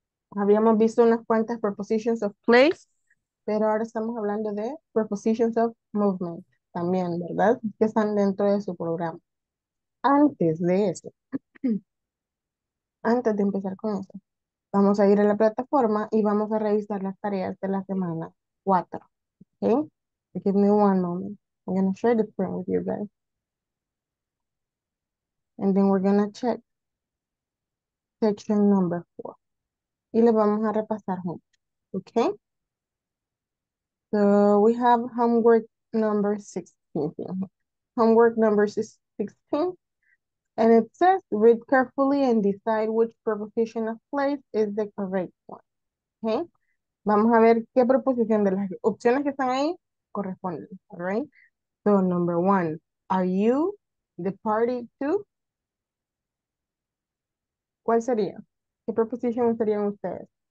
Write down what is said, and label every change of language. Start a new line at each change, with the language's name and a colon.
Spanish: Habíamos visto unas cuantas prepositions of place, pero ahora estamos hablando de prepositions of movement también, ¿verdad? Que están dentro de su programa. Antes de eso, antes de empezar con eso, vamos a ir a la plataforma y vamos a revisar las tareas de la semana 4.
English: ¿Ok? Give me one moment. I'm going to share the screen with you guys. And then we're going to check section number 4.
Spanish: Y le vamos a repasar juntos.
English: Okay? So we have homework number 16. Homework number 16. And it says read carefully and decide which preposition of place is the correct one. Okay?
Spanish: Vamos a ver qué preposición de las opciones que están ahí corresponden.
English: All right? So, number one, are you the party to?
Spanish: ¿Cuál sería? ¿Qué preposición serían ustedes?